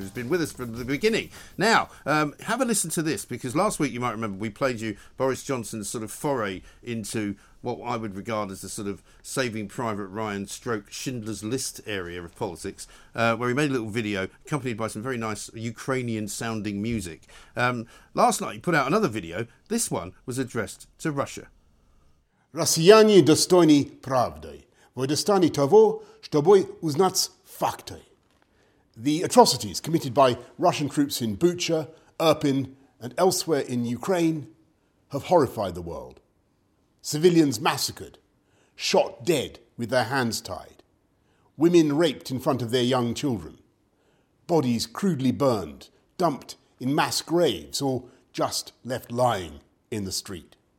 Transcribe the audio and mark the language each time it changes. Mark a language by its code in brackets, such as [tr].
[en] He's been with us from the beginning. Now, have a listen to this, because last week, you might remember, we played you Boris Johnson's sort of foray into what I would regard as the sort of Saving Private Ryan stroke Schindler's List area of politics, where he made a little video accompanied by some very nice Ukrainian-sounding music. Last night, he put out another video. This one was addressed to Russia. [uk] Росіяни достойні правди. Ви достані того, щоби узнати факти. [en] The atrocities committed by Russian troops in Bucha, Irpin, and elsewhere in Ukraine have horrified the world. Civilians massacred, shot dead with their hands tied. Women raped in front of their young children. Bodies crudely burned, dumped in mass graves, or just left lying in the street.